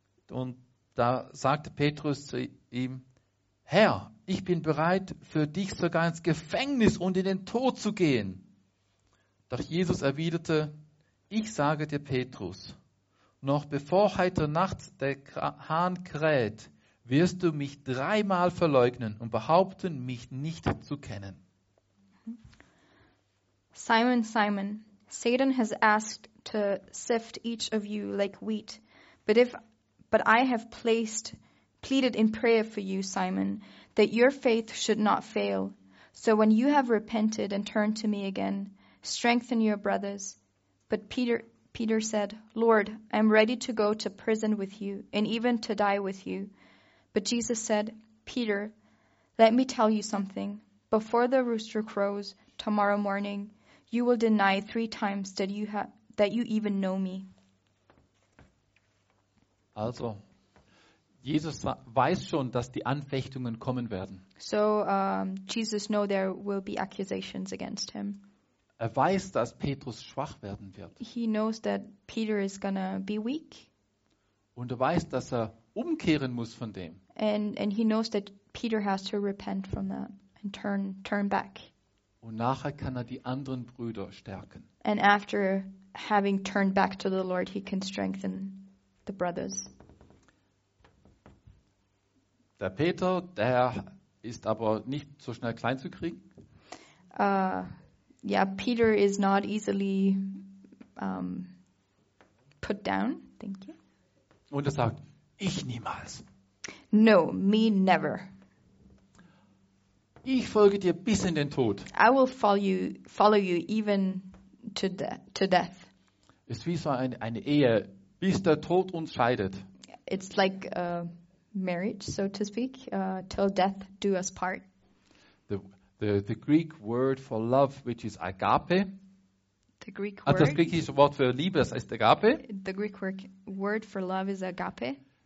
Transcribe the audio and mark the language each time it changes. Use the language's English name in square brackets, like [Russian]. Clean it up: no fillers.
[German] Und da sagte Petrus zu ihm: Herr, ich bin bereit, für dich sogar ins Gefängnis und in den Tod zu gehen. Doch Jesus erwiderte: Ich sage dir, Petrus, noch bevor heute Nacht der Hahn kräht, wirst du mich dreimal verleugnen und behaupten, mich nicht zu kennen. [English] Simon, Simon, Satan has asked to sift each of you like wheat. But I have pleaded in prayer for you, Simon, that your faith should not fail. So when you have repented and turned to me again, strengthen your brothers. But Peter said, Lord, I am ready to go to prison with you and even to die with you. But Jesus said, Peter, let me tell you something. Before the rooster crows tomorrow morning, you will deny three times that you even know me. [German] Also, Jesus weiß schon, dass die Anfechtungen kommen werden. [English] So, Jesus know there will be accusations against him. [German] Er weiß, dass Petrus schwach werden wird. [English] He knows that Peter is gonna be weak. [German] Und er weiß, dass er umkehren muss von dem. [English] And he knows that Peter has to repent from that and turn back. [German] Und nachher kann er die anderen Brüder stärken. [English] And after having turned back to the Lord, he can strengthen the brothers. [German] Der Peter, der ist aber nicht so schnell klein zu kriegen. [English] Yeah, Peter is not easily put down. Thank you. [German] Und er sagt, ich niemals. [English] No, me never. [German] Ich folge dir bis in den Tod. [English] I will follow you even to death. [German] Ist wie so eine Ehe, bis der Tod uns scheidet. [English] It's like a marriage, so to speak, till death do us part. The Greek word for love, which is agape. The Greek word. [German] Das griechische Wort für Liebe, das heißt agape. [English] The Greek word for love is agape.